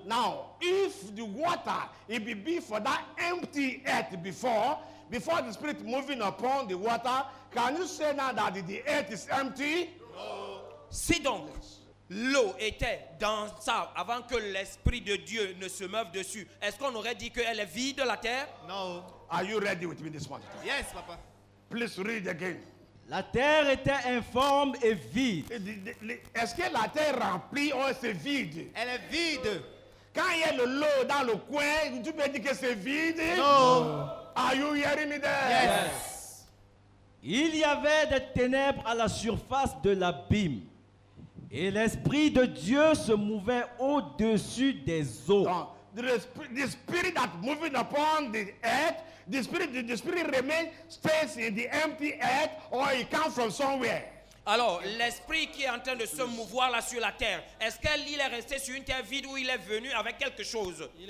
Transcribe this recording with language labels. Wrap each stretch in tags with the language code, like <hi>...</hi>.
<en>Now, if the water, it be for that empty earth before the Spirit moving upon the water, can you say now that the earth is empty? No.</en> <fr>Si donc, l'eau était dans ça avant que l'Esprit de Dieu ne se meuve dessus, est-ce qu'on aurait dit qu'elle est vide de la terre?</fr> <en>No. Are you ready with me this morning? Yes, papa. Please read again.</en> <fr>La terre était informe et vide. Est-ce que la terre est remplie ou c'est vide? Elle est vide. Quand il y a de l'eau dans le coin, tu peux dire que c'est vide?</fr> <en>No. Are you hearing me there? Yes.</en> <fr>Il y avait des ténèbres à la surface de l'abîme. Et l'Esprit de Dieu se mouvait au-dessus des eaux.</fr> <en>The spirit that moving upon the earth, the spirit remains stays in the empty earth or it comes from somewhere.</en> <fr>Alors, l'Esprit qui est en train de se mouvoir là sur la terre, est-ce qu'il est resté sur une terre vide ou il est venu avec quelque chose?</fr>